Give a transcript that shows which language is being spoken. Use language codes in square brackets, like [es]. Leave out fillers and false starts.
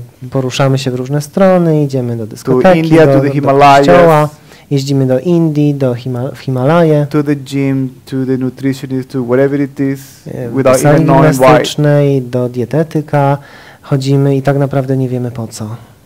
[pl] Poruszamy się w różne strony, idziemy do dyskoteki, [en] to India, [pl] do kościoła, jeździmy do Indii, do w Himalaje, [en] to the gym, to the nutritionist, to whatever it is, without even knowing why. [pl] Do sali gimnastycznej, do dietetyka, chodzimy i tak naprawdę nie wiemy po co.